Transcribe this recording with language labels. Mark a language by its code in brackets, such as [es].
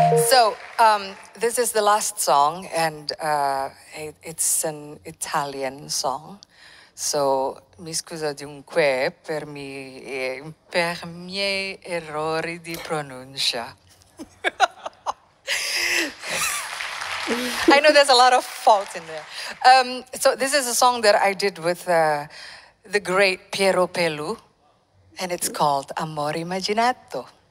[en] So, this is the last song, and it's an Italian song. [it] So, mi scuso dunque per mi per miei errori di pronuncia. [en] I know there's a lot of fault in there. So this is a song that I did with the great Piero Pelù, and it's called Amore Immaginato.